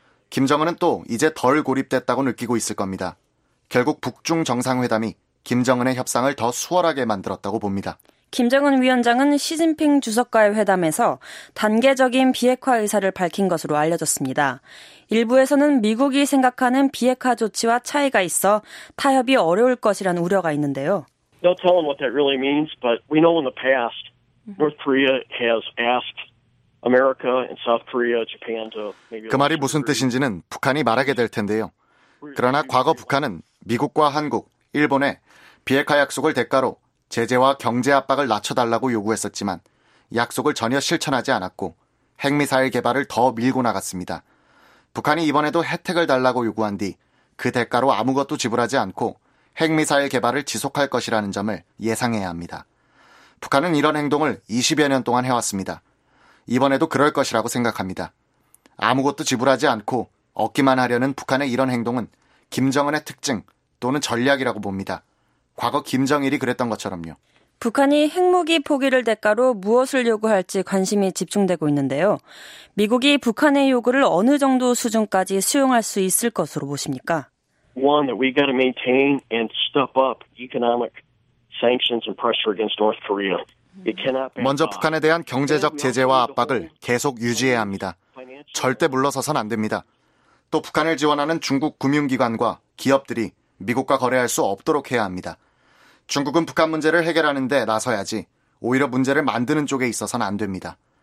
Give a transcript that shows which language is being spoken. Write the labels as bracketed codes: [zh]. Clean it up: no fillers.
[ko] 김정은은 또 이제 덜 고립됐다고 느끼고 있을 겁니다. 결국 북중 정상회담이 김정은의 협상을 더 수월하게 만들었다고 봅니다. 김정은 위원장은 시진핑 주석과의 회담에서 단계적인 비핵화 의사를 밝힌 것으로 알려졌습니다. 일부에서는 미국이 생각하는 비핵화 조치와 차이가 있어 타협이 어려울 것이란 우려가 있는데요. [en] They'll tell them what that really means, but we know in the past North Korea has asked America and South Korea, Japan to maybe [ko] 그 말이 무슨 뜻인지는 북한이 말하게 될 텐데요. 그러나 과거 북한은 미국과 한국, 일본에 비핵화 약속을 대가로 제재와 경제 압박을 낮춰달라고 요구했었지만 약속을 전혀 실천하지 않았고 핵미사일 개발을 더 밀고 나갔습니다. 북한이 이번에도 혜택을 달라고 요구한 뒤 그 대가로 아무것도 지불하지 않고 핵미사일 개발을 지속할 것이라는 점을 예상해야 합니다. 북한은 이런 행동을 20여 년 동안 해왔습니다. 이번에도 그럴 것이라고 생각합니다. 아무것도 지불하지 않고 얻기만 하려는 북한의 이런 행동은 김정은의 특징 또는 전략이라고 봅니다. 과거 김정일이 그랬던 것처럼요. 북한이 핵무기 포기를 대가로 무엇을 요구할지 관심이 집중되고 있는데요. 미국이 북한의 요구를 어느 정도 수준까지 수용할 수 있을 것으로 보십니까? [en] One that we got to maintain and step up economic sanctions and pressure against North Korea. [ko] 먼저 북한에 대한 경제적 제재와 압박을 계속 유지해야 합니다. 절대 물러서선 안 됩니다. 또 북한을 지원하는 중국 금융기관과 기업들이 미국과 거래할 수 없도록 해야 합니다. 중국은 북한 문제를 해결하는 데 나서야지 오히려 문제를 만드는 쪽에 있어서는 안 됩니다.